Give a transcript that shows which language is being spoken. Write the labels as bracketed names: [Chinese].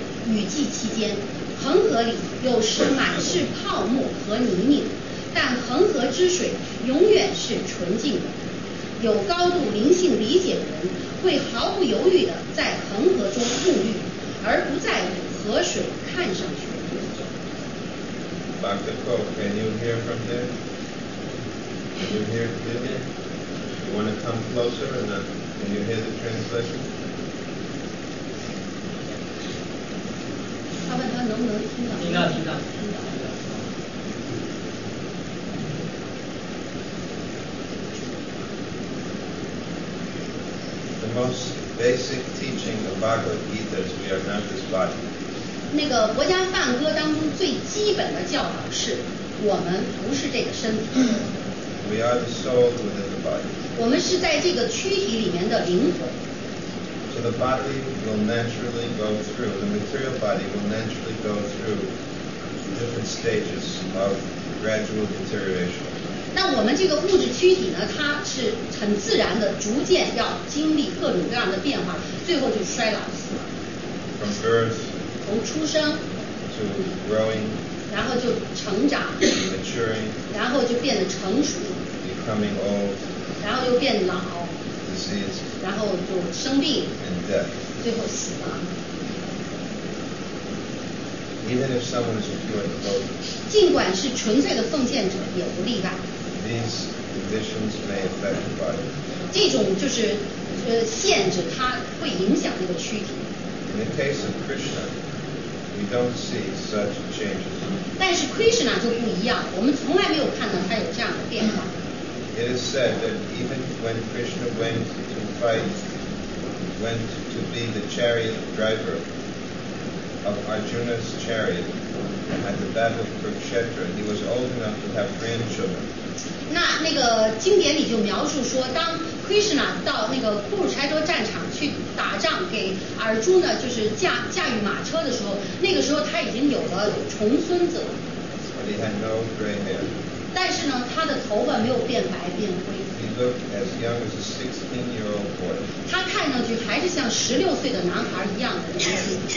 [Chinese] 雨季期间，恒河里有时满是泡沫和泥泞，但恒河之水永远是纯净的。有高度灵性理解的人会毫不犹豫地在恒河中沐浴，而不在意河水看上去如何。 [English] Dr. Cole, can you hear from there? Can you hear from there? You want to come closer or not? Can you hear the translation? [Chinese] 他问他能不能听到？听到，听到，听到。 [English] The most basic teaching of Bhagavad Gita is we are not this body. [Chinese] 那个《国家梵歌》当中最基本的教导是，我们不是这个身体。 [English] We are the soul within the body. [Chinese] 我们是在这个躯体里面的灵魂。 [English] So the body will naturally go through, the material body will naturally go through different stages of gradual deterioration. [Chinese] 那我们这个物质躯体呢，它是很自然的逐渐要经历各种各样的变化，最后就衰老死了。 [English] From birth, [Chinese] 从出生 [English] to growing, [Chinese] 然后就成长 [English] maturing, [Chinese] 然后就变得成熟 [English] becoming old, [Chinese] 然后又变老 [English] disease, [Chinese] 然后就生病 [English] and death, [Chinese] 最后死亡。 [English] Even if someone is a pure devotee, [Chinese] 尽管是纯粹的奉献者也不例外。 [English] These conditions may affect the body. [Chinese] 这种就是限制它会影响这个躯体。 [English] In the case of Krishna, we don't see such changes. [Chinese] 但是 Krishna 就不一样，我们从来没有看到它有这样的变化。 [English] It is said that even when Krishna went to fight, went to be the chariot driver of Arjuna's chariot at the battle of Kurukshetra, he was old enough to have grandchildren. [Chinese] 那个经典里就描述说，当 Krishna 到那个库鲁柴卓战场去打仗，给 Arjuna 就是驾驭马车的时候，那个时候他已经有了重孙子了。 [English] But he had no gray hair. [Chinese] 但是呢，他的头发没有变白变灰。 [English] He looked as young as a 16-year-old boy. [Chinese] 他看上去还是像16岁的男孩一样的年轻。